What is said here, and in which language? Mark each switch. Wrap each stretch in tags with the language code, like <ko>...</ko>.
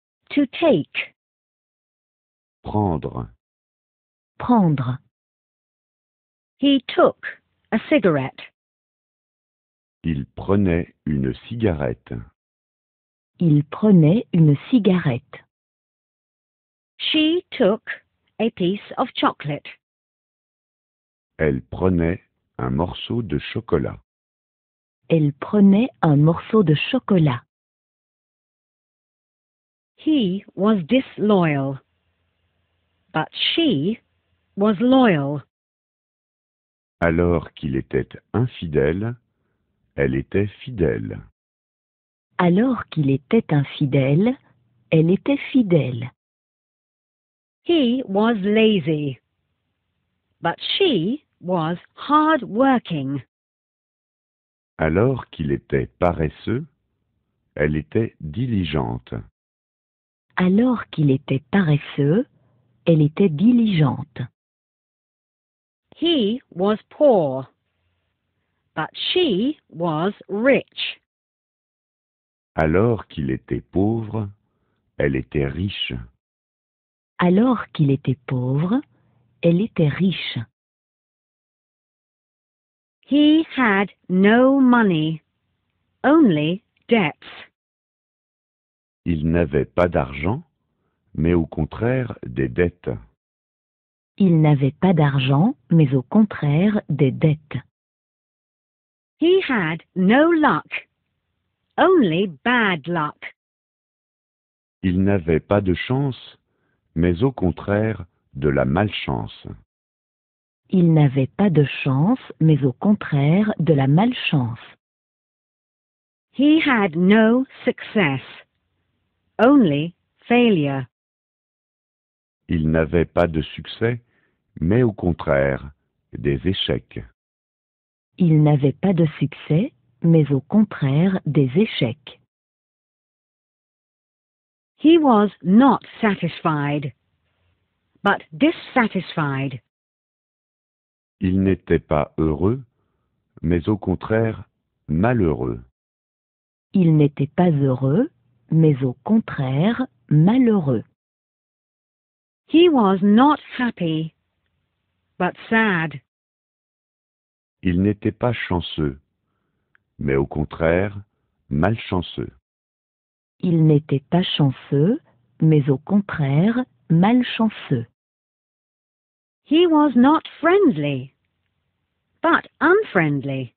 <en>To take.</en> <fr>Prendre. Prendre.</fr> <en>He took a cigarette.</en> <fr>Il prenait une cigarette. Il prenait une cigarette.</fr> <en>She took a piece of chocolate.</en> <fr>Elle prenait un morceau de chocolat. Elle prenait un morceau de chocolat.</fr> <en>He was disloyal. But she was loyal.</en> <fr>Alors qu'il était infidèle, elle était fidèle. Alors qu'il était infidèle, elle était fidèle.</fr> <en>He was lazy. But she was hard working.</en> <fr>Alors qu'il était paresseux, elle était diligente. Alors qu'il était paresseux, elle était diligente.</fr> <en>He was poor. But she was rich.</en> <fr>Alors qu'il était pauvre, elle était riche. Alors qu'il était pauvre, elle était riche.</fr> <en>He had no money, only debts.</en> <fr>Il n'avait pas d'argent, mais au contraire des dettes. Il n'avait pas d'argent, mais au contraire des dettes.</fr> <en>He had no luck, only bad luck.</en> <fr>Il n'avait pas de chance, mais au contraire de la malchance. Il n'avait pas de chance, mais au contraire de la malchance.</fr> <en>He had no success, only failure.</en> <fr>Il n'avait pas de succès, mais au contraire des échecs. Il n'avait pas de succès, mais au contraire des échecs.</fr> <en>He was not satisfied, but dissatisfied.</en> <fr>Il n'était pas heureux, mais au contraire malheureux. Il n'était pas heureux, mais au contraire malheureux.</fr> <en>He was not happy, but sad.</en> <fr>Il n'était pas chanceux, mais au contraire malchanceux. Il n'était pas chanceux, mais au contraire malchanceux.</fr> <en>He was not friendly, but unfriendly.</en>